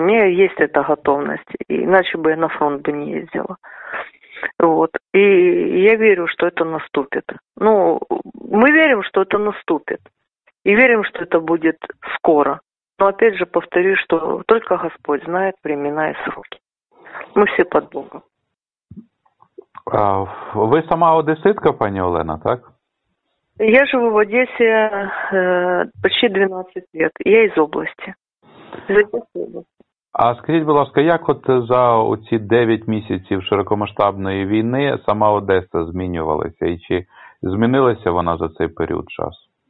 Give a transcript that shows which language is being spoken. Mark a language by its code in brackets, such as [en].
[ru] У меня есть эта готовность, иначе бы я на фронт бы не ездила. Вот. И я верю, что это наступит. Ну, мы верим, что это наступит. И верим, что это будет скоро. Но опять же повторюсь, что только Господь знает времена и сроки. Мы все под Богом. Вы сама одесситка, пані Олена, так? Я живу в Одессе почти 12 лет. Я из области. Из Одесской области. [uk] А скажіть, будь ласка, як от за оці 9 місяців широкомасштабної війни сама Одеса змінювалася? І чи змінилася вона за цей період часу?